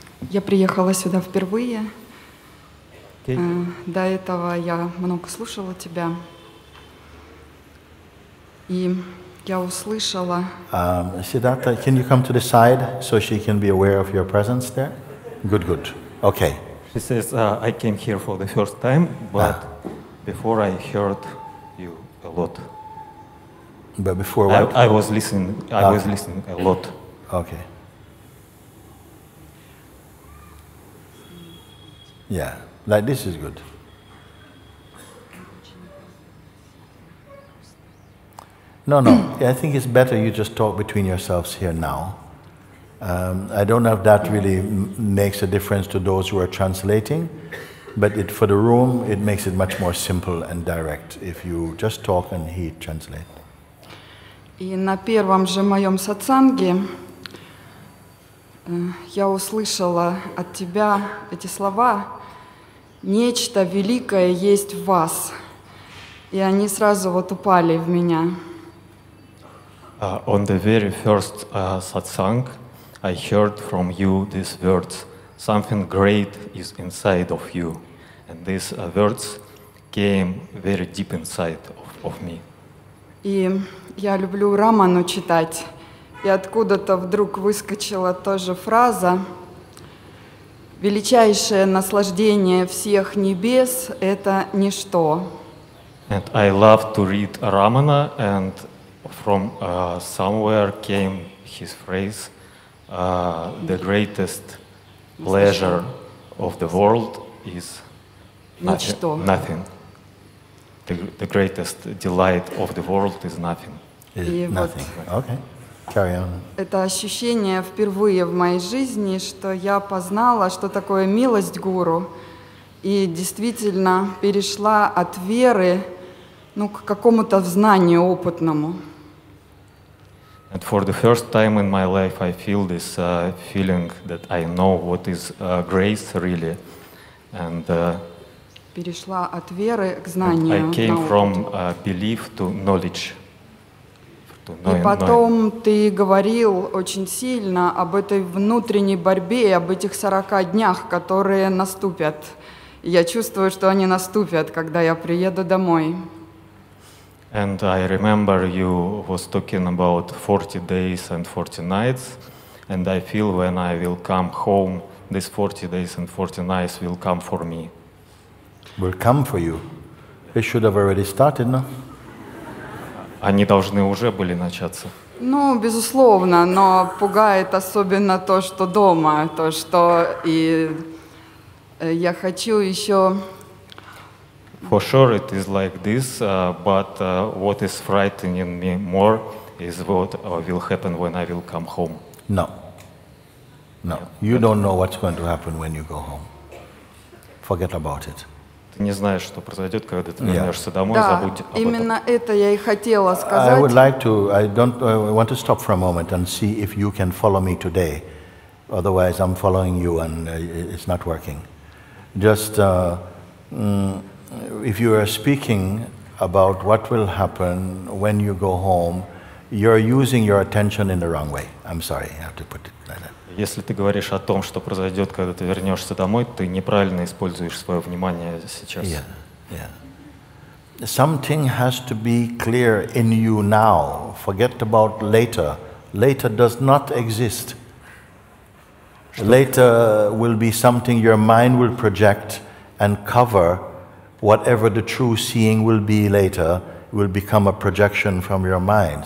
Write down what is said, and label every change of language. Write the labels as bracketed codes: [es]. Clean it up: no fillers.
[ru] Я приехала сюда впервые. До этого я много слушала тебя. И я услышала. [en] Siddhartha, can you come to the side so she can be aware of your presence there? Good, good. Okay. She says, I came here for the first time, but before I heard you a lot. But before what? I was listening. Was listening a lot. Okay. Yeah, like this is good. No. I think it's better you just talk between yourselves here now. I don't know if that really makes a difference to those who are translating, but it, for the room, it makes it much more simple and direct if you just talk and he translate. [ru] И на первом же моем сатсанге я услышала от тебя эти слова: «Нечто великое есть в вас», и они сразу вот упали в меня. [en] On the very first satsang, I heard from you these words: «Something great is inside of you», and these words came very deep inside of me. [ru] И я люблю Раману читать. И откуда-то вдруг выскочила тоже фраза: величайшее наслаждение всех небес — это ничто. [en] And I love to read Ramana, and from somewhere came his phrase: the greatest pleasure of the world is nothing. The greatest delight of the world is nothing. Nothing. Okay. Carry on. [ru] Это ощущение впервые в моей жизни, что я познала, что такое милость гуру, и действительно перешла от веры, ну, к какому-то знанию опытному. [en] And for the first time in my life, I feel this feeling that I know what is grace really, and [ru] перешла от веры к знанию. [en] I came from belief to knowledge. [ru] И потом ты говорил очень сильно об этой внутренней борьбе, об этих 40 днях, которые наступят. Я чувствую, что они наступят, когда я приеду домой. [en] And I remember you was talking about 40 days and 40 nights, and I feel when I will come home, these 40 days and 40 nights will come for me. Will come for you. It should have already started, no? [ru] Они должны уже были начаться. Ну, безусловно, но пугает особенно то, что дома, то, что и я хочу еще... [en] For sure it is like this, but what is frightening me more is what will happen when I will come home. No. No. You don't know what's going to happen when you go home. Forget about it. [ru] Ты не знаешь, что произойдет, когда ты вернешься домой, забудь об этом. Да, именно это я и хотела сказать. [en] I would like to, I want to stop for a moment and see if you can follow me today. Otherwise I'm following you and it's not working. Just... If you are speaking about what will happen when you go home, you're using your attention in the wrong way. I'm sorry, I have to put it like that. [ru] Если ты говоришь о том, что произойдет, когда ты вернешься домой, ты неправильно используешь свое внимание сейчас. [en] Yeah, yeah. Something has to be clear in you now. Forget about later. Later does not exist. Later will be something your mind will project and cover. Whatever the true seeing will be later will become a projection from your mind.